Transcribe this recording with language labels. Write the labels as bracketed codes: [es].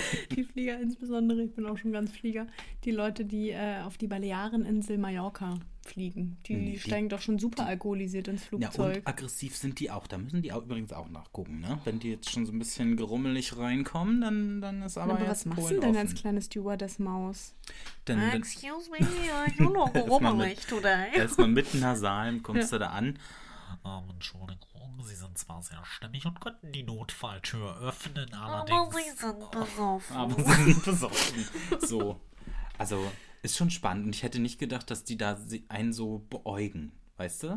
[de] Die Flieger insbesondere, ich bin auch schon ganz Flieger. Die Leute, die auf die Baleareninsel Mallorca fliegen. Die steigen doch schon super alkoholisiert ins Flugzeug. Ja, und aggressiv sind die auch. Da müssen die auch übrigens auch nachgucken, ne? Wenn die jetzt schon so ein bisschen grummelig reinkommen, dann ist aber Aber was machst du denn als kleine Stewardess-Maus? [en] Excuse me, you look grummelig today. [de] Erstmal mit Nasalen kommst du da an. Entschuldigung, sie sind zwar sehr stämmig und könnten die Notfalltür öffnen, allerdings... Aber sie sind besoffen. So, also... Ist schon spannend und ich hätte nicht gedacht, dass die da einen so beäugen, weißt du?